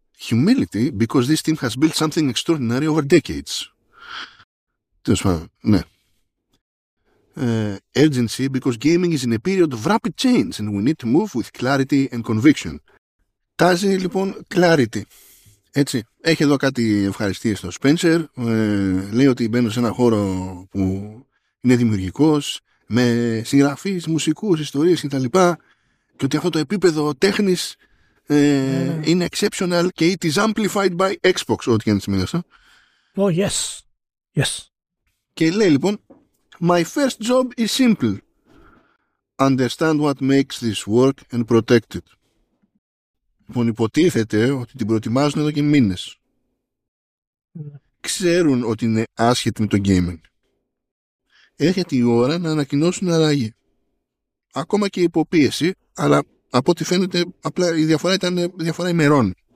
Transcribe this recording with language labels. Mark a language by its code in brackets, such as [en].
[en] Humility because this team has built something extraordinary over decades. [el] Τέλος πάντων, ναι. [en] Urgency because gaming is in a period of rapid change and we need to move with clarity and conviction. [el] Τάζει, λοιπόν, clarity. Έτσι, έχει εδώ κάτι ευχαριστίες στο Spencer. Λέει ότι μπαίνω σε ένα χώρο που είναι δημιουργικός, με συγγραφείς, μουσικούς, ιστορίες κτλ. Και ότι αυτό το επίπεδο τέχνης είναι exceptional και [en] it is amplified by Xbox, [el] ό,τι και αν σημαίνει αυτό. [en] Oh, yes. Yes. [el] Και λέει λοιπόν, [en] my first job is simple. Understand what makes this work and protect it. [el] Λοιπόν, υποτίθεται ότι την προετοιμάζουν εδώ και μήνες. Ξέρουν ότι είναι άσχετη με το gaming. Έρχεται η ώρα να ανακοινώσουν αλλαγή. Ακόμα και υποπίεση, αλλά από ό,τι φαίνεται, απλά η διαφορά ήταν διαφορά ημερών.